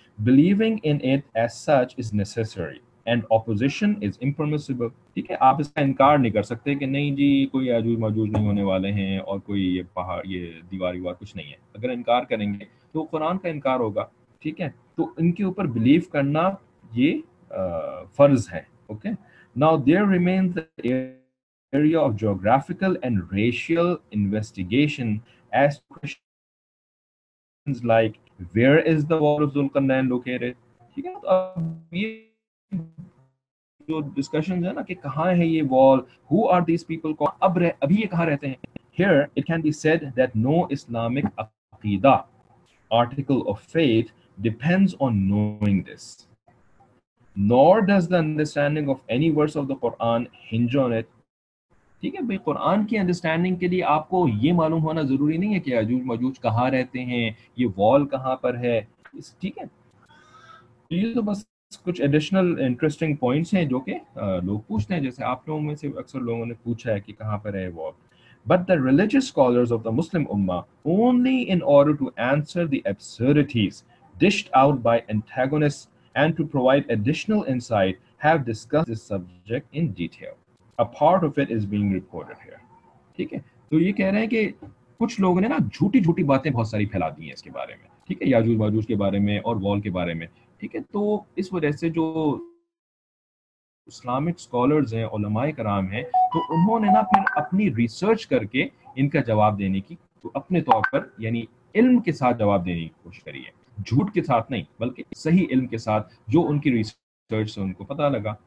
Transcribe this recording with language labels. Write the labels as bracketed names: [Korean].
[English] Believing in it as such is necessary and opposition is impermissible. [Hindi] ठीक है, आप इसका इनकार नहीं कर सकते कि नहीं जी कोई याजूज माजूज नहीं होने वाले हैं और कोई ये पहाड़ ये दीवार वीवार कुछ नहीं है. अगर इनकार करेंगे तो कुरान का इनकार होगा, ठीक है. तो इनके ऊपर बिलीव करना ये फर्ज है, okay. [English] Now there remains the area of geographical and racial investigation as questions like where is the wall of Zulqarnain located? [Hindi] ठीक है, तो ये जो discussions है ना कि कहाँ है ये wall, [English] who are these people, [Hindi] कौन अभी ये कहाँ रहते हैं? [English] Here it can be said that no Islamic aqeedah, article of faith, depends on knowing this. Nor does the understanding of any verse of the Quran hinge on it. [Hindi] ठीक है भाई, कुरान की अंडरस्टैंडिंग के लिए आपको ये मालूम होना जरूरी नहीं है कि याजूज माजूज कहाँ रहते हैं, ये वॉल कहाँ पर है, ठीक है. ये तो बस कुछ एडिशनल इंटरेस्टिंग पॉइंट्स हैं जो कि लोग पूछते हैं, जैसे आप लोगों में से अक्सर लोगों ने पूछा है कि कहाँ पर है wall. [English] But the religious scholars of the Muslim Ummah, only in order to answer the absurdities dished out by antagonists and to provide additional insight, have discussed this subject in detail. A part of it is being reported here. [Hindi] ठीक है, तो ये कह रहे हैं कि कुछ लोगों ने ना झूठी झूठी बातें बहुत सारी फैला दी हैं इसके बारे में, ठीक है, याजूज माजूज के बारे में और वॉल के बारे में, ठीक है. तो इस वजह से जो इस्लामिक स्कॉलर्स हैं, उलमाए कराम हैं, तो उन्होंने ना फिर अपनी रिसर्च करके इनका जवाब देने की, तो अपने तौर पर यानी इल्म के साथ जवाब देने की कोशिश करी है, झूठ के साथ नहीं बल्कि सही इल्म के साथ जो उनकी रिसर्च से उनको पता लगा.